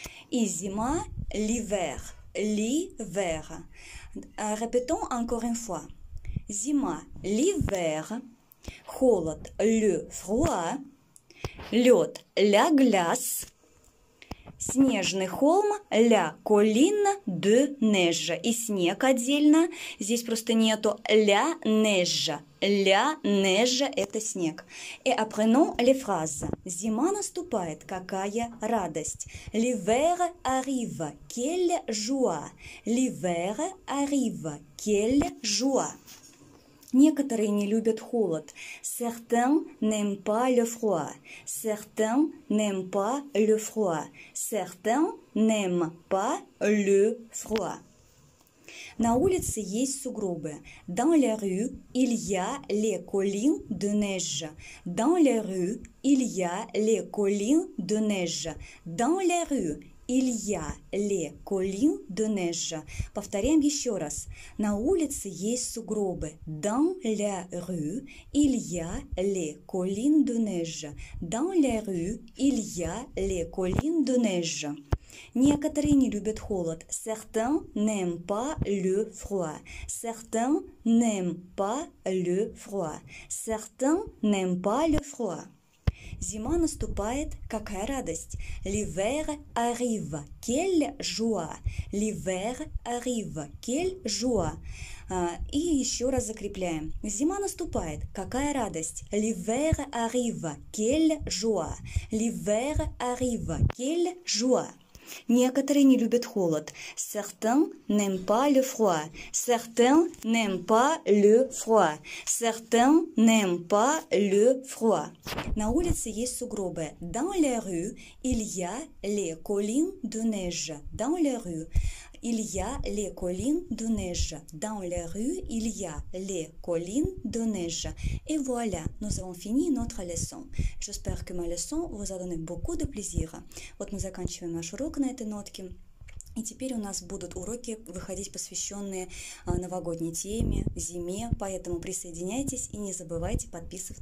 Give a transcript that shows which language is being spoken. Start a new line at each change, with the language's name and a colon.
Russian: И зима,
French: l'hiver, l'hiver. Répétons encore une fois.
Russian: Зима,
French: l'hiver.
Russian: Холод,
French: le froid.
Russian: Лед,
French: la glace.
Russian: Снежный холм,
French: la colline de neige.
Russian: И снег отдельно, здесь просто нету,
French: la neige. La neige
Russian: – это снег.
French: Et apprenons les phrases.
Russian: Зима наступает, какая радость.
French: L'hiver arrive, quelle joie. L'hiver arrive, quelle joie.
Russian: Некоторые не любят холод.
French: Certains n'aiment pas le froid. Certains n'aiment pas le froid. Certains n'aiment pas le froid.
Russian: На улице есть сугробы.
French: Dans la rue, il y a les collines de neige. Dans la rue, il y a les collines de neige. Dans la rue. Il y a les collines de neige.
Russian: Повторяем еще раз. На улице есть сугробы.
French: Dans la rue, il y a les collines de neige. Dans la rue, il y a les collines de neige.
Russian: Некоторые не любят холод.
French: Certains n'aiment pas le froid. Certains n'aiment pas le froid. Certains n'aiment pas le froid.
Russian: Зима наступает, какая радость.
French: L'hiver arrive, quelle joie. L'hiver arrive, quelle joie.
Russian: И еще раз закрепляем. Зима наступает, какая радость.
French: L'hiver arrive, quelle joie. L'hiver arrive, quelle joie.
Russian: Некоторые не любят холод.
French: Certains n'aiment pas le froid. Certains n'aiment pas le froid. Certains n'aiment pas le froid.
Russian: На улице есть сугробы.
French: Dans la rue, il y a les collines de neige. Dans la rue, il y a les collines de neige. Dans la rue, il y a les collines de neige. Et voilà, nous avons fini notre leçon. J'espère que ma leçon vous a donné beaucoup de plaisir.
Russian: Вот мы заканчиваем наш урок на этой нотке. И теперь у нас будут уроки выходить, посвященные новогодней теме, зиме. Поэтому присоединяйтесь и не забывайте подписываться.